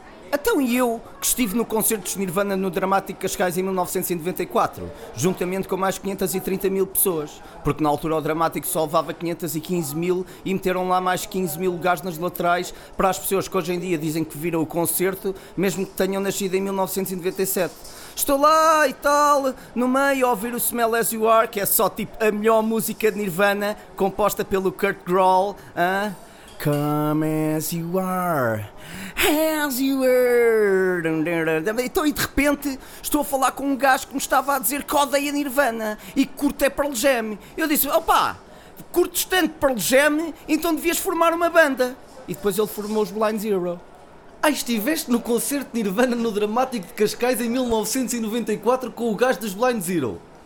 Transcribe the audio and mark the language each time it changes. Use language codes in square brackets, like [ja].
[pt] Então e eu que estive no concerto de Nirvana no Dramático Cascais em 1994, juntamente com mais 530 mil pessoas, porque na altura o Dramático só levava 515 mil e meteram lá mais 15 mil lugares nas laterais para as pessoas que hoje em dia dizem que viram o concerto, mesmo que tenham nascido em 1997. Estou lá e tal, no meio a ouvir o Smell As You Are, que é só tipo a melhor música de Nirvana, composta pelo Kurt Grohl, hein? [en] Come as you are, as you were. [pt] Então, e de repente, estou a falar com um gajo que me estava a dizer que odeia Nirvana e que curto é Pearl Jam. Eu disse: opá, curtes tanto Pearl Jam, então devias formar uma banda. E depois ele formou os Blind Zero. Ah, estiveste no concerto de Nirvana no Dramático de Cascais em 1994 com o gajo dos Blind Zero.